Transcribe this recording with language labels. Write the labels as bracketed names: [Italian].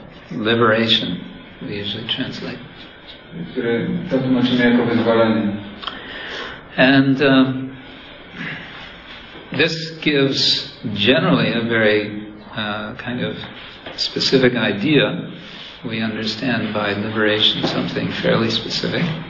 [English] Liberation, we usually translate. [Polish] Które to tłumaczymy jako wyzwolenie. [English] And this gives generally a very kind of specific idea. We understand by liberation something fairly specific.